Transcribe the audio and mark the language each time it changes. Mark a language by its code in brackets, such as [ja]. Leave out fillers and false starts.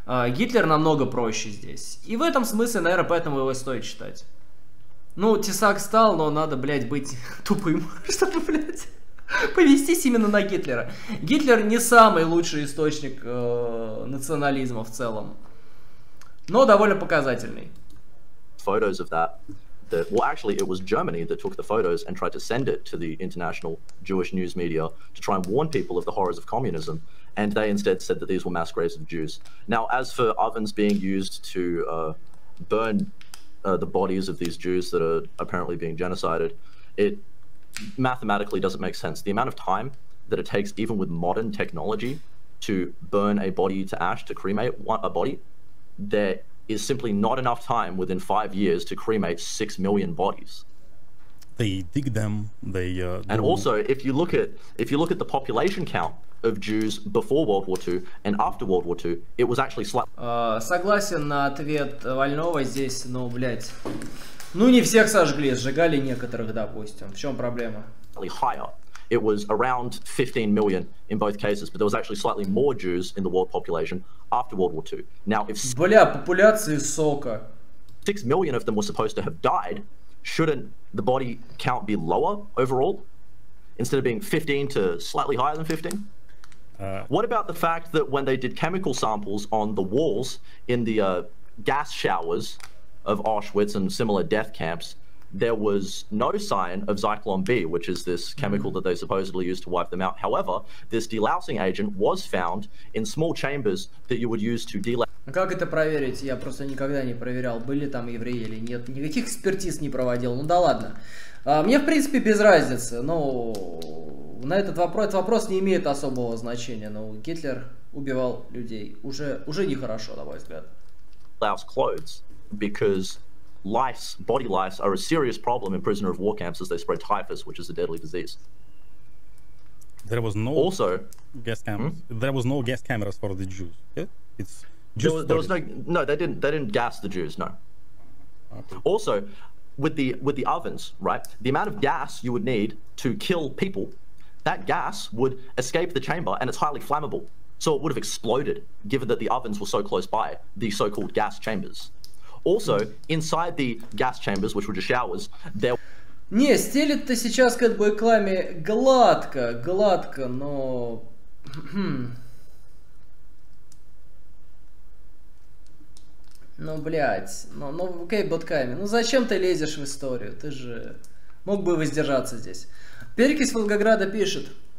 [ru] Гитлер намного проще здесь. И в этом смысле, наверное, поэтому его стоит читать. Ну, тесак стал, но надо, блядь, быть тупым, чтобы, блядь, повестись именно на Гитлера. Гитлер не самый лучший источник национализма в целом. Но довольно показательный. [en] Photos of that, that well, actually, it was Germany that took the photos and tried to send it to the international Jewish news media to try and warn people of the horrors of communism, and they instead said that these were mass graves of Jews. Now, as for ovens being used to burn the bodies of these Jews that are apparently being genocided, it mathematically doesn't make sense. The amount of time that it takes, even with modern technology, to burn a body to ash, to cremate a body, there is simply not enough time within 5 years to cremate 6 million bodies. They dig them, they... And also, if you look at the population count of Jews before World War II and after World War II, it was actually slightly... [ru] Согласен на ответ Вольного здесь, но, блядь... Ну, не всех сожгли, сжигали некоторых, допустим. В чем проблема? [en] ...higher. It was around 15 million in both cases, but there was actually slightly more Jews in the world population after World War II. Now, if [ru] бля, популяция сока. [en] 6 million of them were supposed to have died, shouldn't the body count be lower overall, instead of being 15 to slightly higher than 15? What about the fact that when they did chemical samples on the walls in the gas showers of Auschwitz and similar death camps, there was no sign of Zyklon B, which is this chemical that they supposedly used to wipe them out. However, this delousing agent was found in small chambers that you would use to delouse. [ru] Как это проверить? Я просто никогда не проверял, были там евреи или нет. Никаких экспертиз не проводил. Ну да ладно. Мне, в принципе, без разницы. Ну, на этот вопрос не имеет особого значения. Но Гитлер убивал людей. Уже нехорошо, на мой взгляд. [en] Lice clothes, because lice, body lice, are a serious problem in prisoner of war camps as they spread typhus, which is a deadly disease. There was no also gas cameras. Hmm? There was no gas cameras for the Jews. Yeah? It's just there was no, they didn't gas the Jews, no. Okay. Also, with the ovens, right? The amount of gas you would need to kill people, that gas would escape the chamber and it's highly flammable. So it would have exploded, given that the ovens were so close by, the so-called gas chambers. Also, inside the gas chambers, which were just showers, there... [ru] Не, стелит-то сейчас к этой рекламе гладко, гладко, но... Ну, блядь, ну, окей, боткайми, ну зачем ты лезешь в историю? Ты же мог бы воздержаться здесь. Перекись Волгограда пишет...